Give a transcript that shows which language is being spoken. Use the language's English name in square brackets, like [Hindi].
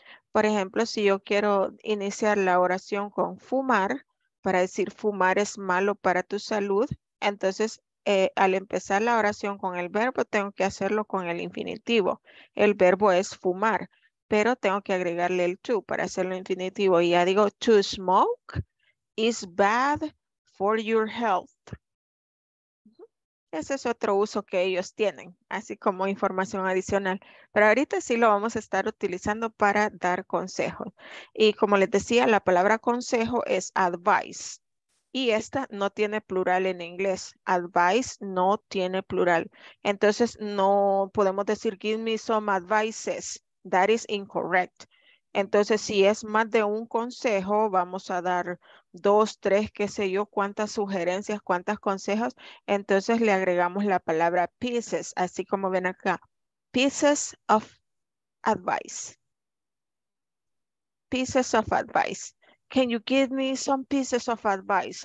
[Spanish] Por ejemplo, si yo quiero iniciar la oración con fumar, para decir fumar es malo para tu salud, entonces al empezar la oración con el verbo, tengo que hacerlo con el infinitivo. El verbo es fumar, pero tengo que agregarle el to para hacerlo infinitivo. Y ya digo, [English] to smoke is bad for your health. [Spanish] Ese es otro uso que ellos tienen, así como información adicional. Pero ahorita sí lo vamos a estar utilizando para dar consejos. Y como les decía, la palabra consejo es advice. Y esta no tiene plural en inglés. Advice no tiene plural. Entonces no podemos decir [English] give me some advices. That is incorrect. [Spanish] Entonces si es más de un consejo, vamos a dar dos, tres, qué sé yo, cuántas sugerencias, cuántos consejos, entonces le agregamos la palabra pieces, así como ven acá, [English] pieces of advice. Pieces of advice. Can you give me some pieces of advice?